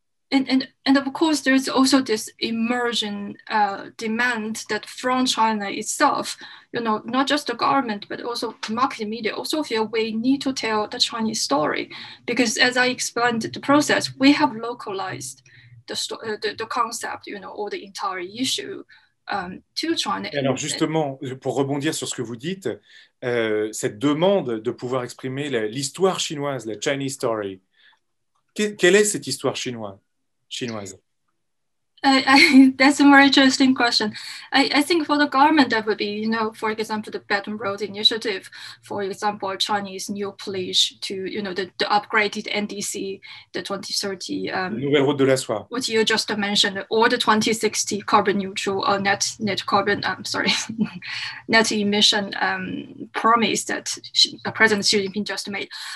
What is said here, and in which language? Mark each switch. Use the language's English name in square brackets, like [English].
[English] And of course, there's also this emerging demand that from China itself, you know, not just the government, but also the market media also feel we need to tell the Chinese story. Because as I explained the process, we have localized the concept, you know, or the entire issue to China. [French] Et alors justement, pour rebondir sur ce que vous dites, cette demande de pouvoir exprimer l'histoire chinoise, la [English] Chinese story, [French] quelle est cette histoire chinoise? [English] That's a very interesting question. I think for the government, that would be, you know, for example, the Belt and Road Initiative, for example, Chinese new pledge to, you know, the upgraded NDC, the 2030. [French] Nouvelle route de la soie. [English] What you just mentioned, or the 2060 carbon neutral or net carbon, net emission promise that President Xi Jinping just made.